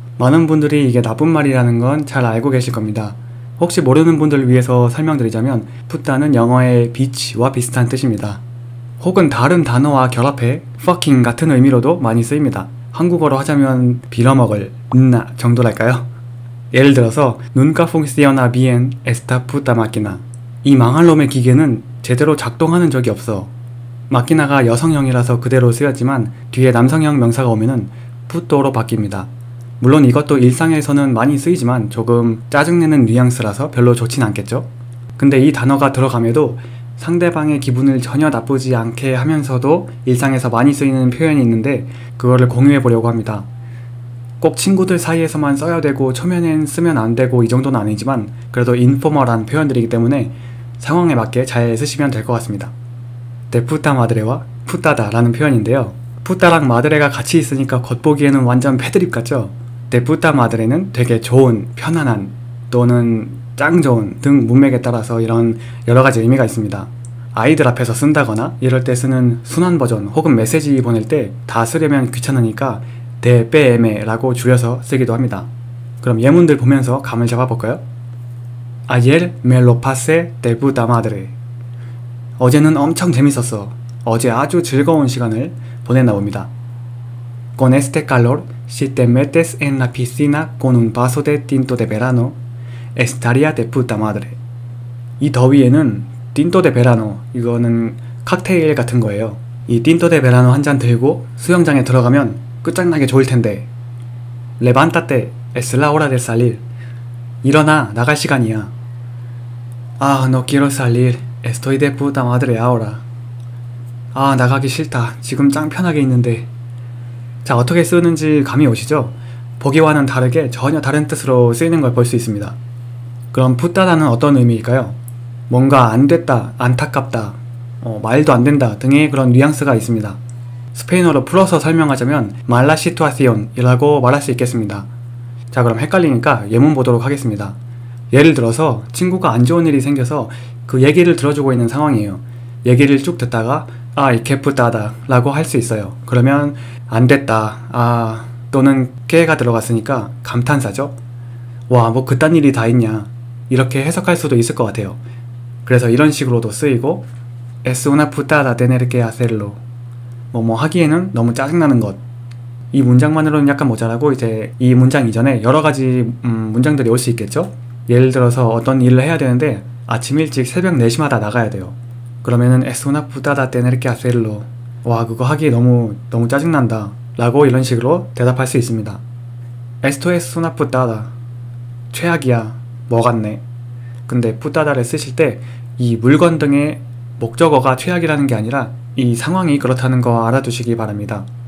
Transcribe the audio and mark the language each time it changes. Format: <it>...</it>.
<ko>많은 분들이 이게 나쁜 말이라는 건 잘 알고 계실 겁니다. 혹시 모르는 분들을 위해서 설명드리자면 푸다는 영어의 비치와 비슷한 뜻입니다. 혹은 다른 단어와 결합해 fucking 같은 의미로도 많이 쓰입니다. 한국어로 하자면 빌어먹을 나 정도랄까요? 예를 들어서</ko> <es>nunca funciona bien esta puta máquina.</es> <ko>이 망할 놈의 기계는 제대로 작동하는 적이 없어. 마키나가 여성형이라서 그대로 쓰였지만 뒤에 남성형 명사가 오면은 푸또로 바뀝니다. 물론 이것도 일상에서는 많이 쓰이지만 조금 짜증내는 뉘앙스라서 별로 좋진 않겠죠? 근데 이 단어가 들어감에도 상대방의 기분을 전혀 나쁘지 않게 하면서도 일상에서 많이 쓰이는 표현이 있는데 그거를 공유해 보려고 합니다. 꼭 친구들 사이에서만 써야 되고 초면엔 쓰면 안 되고 이 정도는 아니지만 그래도 인포멀한 표현들이기 때문에 상황에 맞게 잘 쓰시면 될 것 같습니다. 데 푸타 마드레와 푸따다 라는 표현인데요. 푸따랑 마드레가 같이 있으니까 겉보기에는 완전 패드립 같죠? 데 푸타 마드레는 되게 좋은, 편안한 또는 짱 좋은 등 문맥에 따라서 이런 여러가지 의미가 있습니다. 아이들 앞에서 쓴다거나 이럴 때 쓰는 순한 버전 혹은 메시지 보낼 때 다 쓰려면 귀찮으니까 데 빼에메 라고 줄여서 쓰기도 합니다. 그럼 예문들 보면서 감을 잡아볼까요?</ko> <es>Ayer me lo pasé de puta madre.</es> <ko>어제는 엄청 재밌었어. 어제 아주 즐거운 시간을 보냈나 봅니다.</ko> <es>Con este calor, si te metes en la piscina con un vaso de tinto de verano, estaría de puta madre.</es> <ko>이 더위에는 tinto de verano, 이거는 칵테일 같은 거예요. 이 tinto de verano 한 잔 들고 수영장에 들어가면 끝장나게 좋을 텐데.</ko> <es>Levántate, es la hora de salir.</es> <ko>일어나, 나갈 시간이야. 아,</ko> <es>no quiero salir. Estoy de puta madre ahora.</es> <ko>아, 나가기 싫다. 지금 짱 편하게 있는데. 자, 어떻게 쓰는지 감이 오시죠? 보기와는 다르게 전혀 다른 뜻으로 쓰이는 걸 볼 수 있습니다. 그럼 puta다는 어떤 의미일까요? 뭔가 안 됐다, 안타깝다, 말도 안 된다 등의 그런 뉘앙스가 있습니다. 스페인어로 풀어서 설명하자면</ko> <es>mala situación</es> <ko>이라고 말할 수 있겠습니다. 자, 그럼 헷갈리니까 예문 보도록 하겠습니다. 예를 들어서 친구가 안 좋은 일이 생겨서 그 얘기를 들어주고 있는 상황이에요. 얘기를 쭉 듣다가 아, 이 개푸따다 라고 할 수 있어요. 그러면 안 됐다, 아, 또는 개가 들어갔으니까 감탄사죠. 와, 뭐 그딴 일이 다 있냐, 이렇게 해석할 수도 있을 것 같아요. 그래서 이런 식으로도 쓰이고</ko> <es>es una putada tener que hacerlo.</es> <ko>뭐뭐 하기에는 너무 짜증나는 것. 이 문장만으로는 약간 모자라고 이제 이 문장 이전에 여러가지 문장들이 올 수 있겠죠? 예를 들어서 어떤 일을 해야 되는데 아침 일찍 새벽 4시마다 나가야 돼요. 그러면은</ko> <es>es una putada tener que hacerlo.</es> <ko>와, 그거 하기에 너무 짜증난다 라고 이런 식으로 대답할 수 있습니다.</ko> <es>esto es una putada.</es> <ko>최악이야, 뭐 같네. 근데 putada를 쓰실 때 이 물건 등의 목적어가 최악이라는 게 아니라 이 상황이 그렇다는 거 알아두시기 바랍니다.</ko>